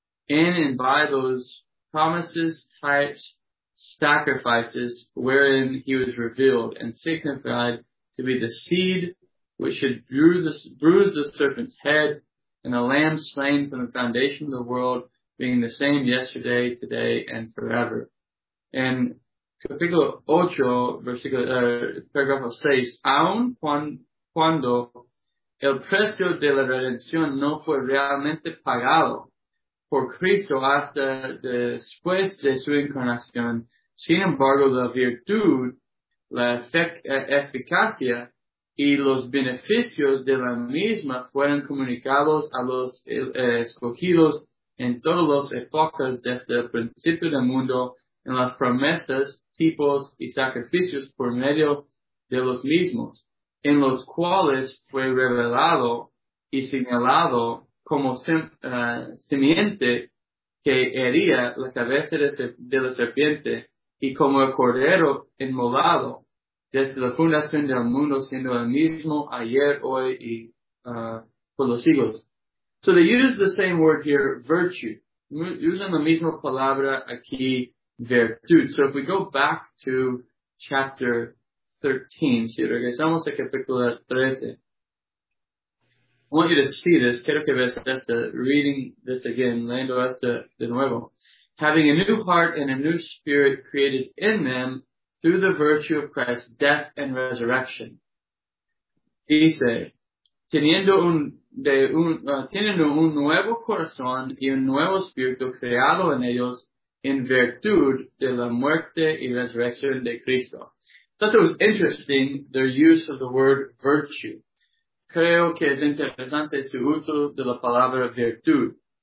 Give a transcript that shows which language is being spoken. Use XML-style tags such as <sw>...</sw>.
<en>in and by those promises, types, sacrifices, wherein he was revealed and signified to be the seed which should bruise the serpent's head, and the lamb slain from the foundation of the world, being the same yesterday, today, and forever.</en> <es>And capítulo 8, paragraph 6, aun cuando el precio de la redención no fue realmente pagado por Cristo hasta después de su incarnación, sin embargo, la virtud, la eficacia y los beneficios de la misma fueron comunicados a los escogidos en todas las épocas desde el principio del mundo en las promesas, tipos y sacrificios por medio de los mismos, en los cuales fue revelado y señalado como simiente que hería la cabeza de la serpiente y como el cordero inmolado desde la fundación del mundo, siendo el mismo ayer, hoy y por los siglos.</es> <en>So they use the same word here, virtue.</en> <es>Usan la misma palabra aquí, virtud.</es> <en>So if we go back to chapter 13,</en> <es>si regresamos al capítulo 13,</es> <en>I want you to see this.</en> <es>Quiero que veas esto,</es> <en>reading this again,</en> <es>leyendo esto de nuevo.</es> <en>Having a new heart and a new spirit created in them through the virtue of Christ's death and resurrection.</en> <es>Dice, teniendo un nuevo corazón y un nuevo espíritu creado en ellos en virtud de la muerte y resurrección de Cristo.</es> <en>Thought it was interesting, their use of the word virtue.</en> <es>Creo que es interesante su uso de la palabra virtud.</es>